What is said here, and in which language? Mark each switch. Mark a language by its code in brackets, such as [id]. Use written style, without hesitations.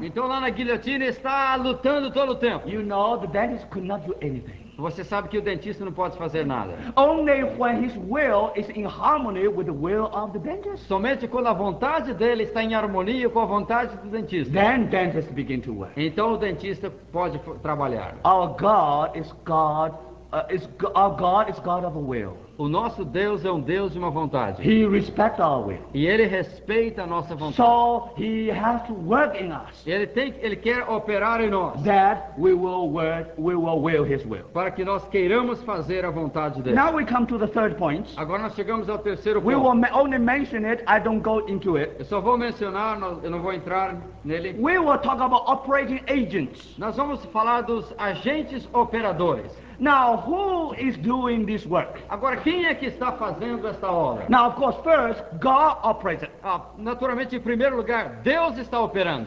[pt] Então lá na guilhotina está lutando todo o tempo. [en] You know, the dentist could not do anything. [pt] Você sabe que o dentista não pode fazer nada. [en] Only when his will is in harmony with the will of the dentist. [pt] Somente quando a vontade dele está em harmonia com a vontade do dentista. [en] Then dentists begin to work. [pt] Então o dentista pode trabalhar. [en] Our God is God. Our God is God of a will. [pt] O nosso Deus é um Deus de uma vontade. [en] He respects our will. [pt] E ele respeita a nossa vontade. [en] So he has to work in us. [pt] Ele quer operar em nós. [en] That we will his will. [pt] Para que nós queiramos fazer a vontade dele. [en] Now we come to the third point. [pt] Agora nós chegamos ao terceiro ponto. [en] We will only mention it, I don't go into it. [pt] Eu só vou mencionar, eu não vou entrar nele. [en] We will talk about operating agents. [pt] Nós vamos falar dos agentes operadores. [en] Now, who is doing this work? [pt] Agora, quem é que está fazendo esta obra? [en] Now, of course, first, God operates it. [pt] Naturalmente, em primeiro lugar, Deus está operando.